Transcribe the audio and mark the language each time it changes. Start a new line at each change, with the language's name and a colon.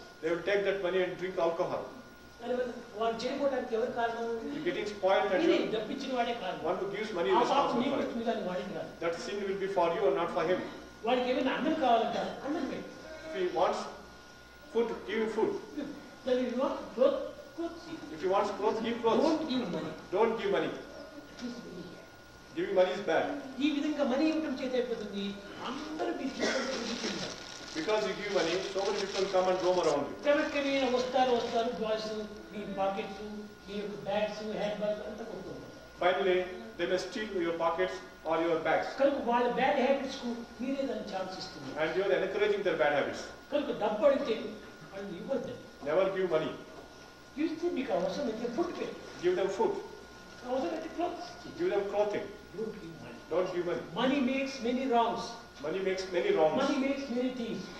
English: They will take that money and drink alcohol. You're getting spoiled and you want to give money responsible for it. That sin will be for you and not for him. If he wants food, give him food. If he wants clothes, give clothes. Don't give money. Don't give money. Giving money is bad.
Telugu: ఈ విధంగా money ఇవ్వడం చేత అయిపోతుంది అందరూ busy.
English: Because you give money, so many people come and roam around you.
Telugu: క్రమక్రమే వస్తారు వస్తారు boys మీ pockets మీ యొక్క bags hand bags అంతా కొట్టుకుంటారు.
English: Finally, they may steal your pockets or your bags.
Telugu: కనుక వాళ్ళ బ్యాడ్ హ్యాబిట్స్ కు మీరే దాన్ని ఛాన్స్ ఇస్తున్నారు.
English: And you are encouraging their bad habits.
Telugu: కనుక డబ్బు అడిగితే వాళ్ళు ఇవ్వద్దు.
English: Never give money. You should be careful with your food. Give them food. Clothes. Give them clothing. Don't give money. Don't give money. Money makes many wrongs. Money makes many wrongs. Money makes many thieves.